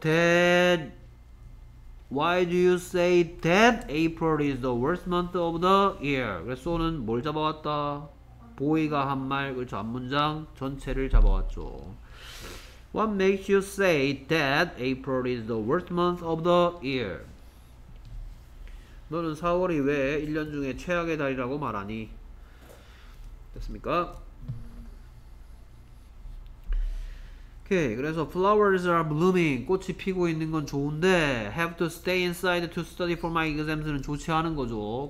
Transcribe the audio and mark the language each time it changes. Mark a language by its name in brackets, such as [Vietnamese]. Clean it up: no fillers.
[English] That why do you say that April is the worst month of the year? [Korean] 그래서 so는 뭘 잡아왔다? boy가 한 말 그렇죠. 앞문장 전체를 잡아왔죠. [English] What makes you say that April is the worst month of the year? [Korean] 너는 4월이 왜 1년 중에 최악의 달이라고 말하니? 됐습니까? [English] 오케이. 그래서 flowers are blooming. [Korean] 꽃이 피고 있는 건 좋은데 [English] have to stay inside to study for my exams는 [Korean] 좋지 않은 거죠.